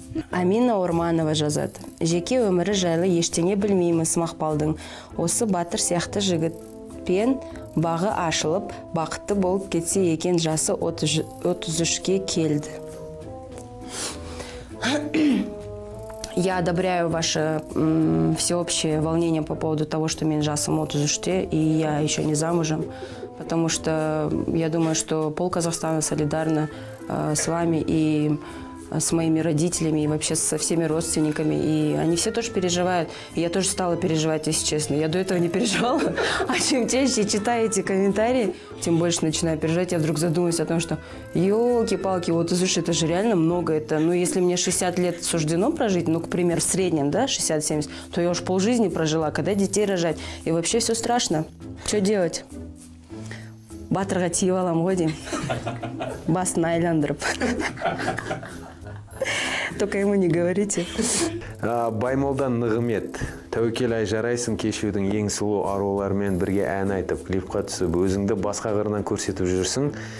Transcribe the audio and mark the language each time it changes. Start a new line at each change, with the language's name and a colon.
Kazakh: Амина Орманова жазады. Жеке өмірі жайлы ештене білмеймін Мақпалдың. Осы батыр сияқты жігіт. Пен бағы ашылып, бақытты болып кетсе екен жасы 33-ке келді.
Russian: Я одобряю ваше всеобщее волнение по поводу того, что
Kazakh: мен жасым 33-те,
Russian: и я еще не замужем, потому что я думаю, что пол Казахстана солидарна с вами и с моими родителями и вообще со всеми родственниками. И они все тоже переживают. И я тоже стала переживать, если честно. Я до этого не переживала. А чем чаще читаю эти комментарии, тем больше начинаю переживать. Я вдруг задумываюсь о том, что елки-палки, вот слушай, это же реально много. Это, ну, если мне 60 лет суждено прожить, ну, к примеру, в среднем, да, 60-70, то я уж полжизни прожила, когда детей рожать. И вообще все страшно. Что делать?
Kazakh: Батырға тиіп алам ғой деймін. Басын айландырып.
Russian: Только ему не говорите.
Kazakh: Баймолдан Нығымет. Тәуекел ай, жарайсың кешеудің ең сұлу аруларымен бірге ән айтып, клипқа түсіп, өзіңді басқа қырынан көрсетіп жүрсің.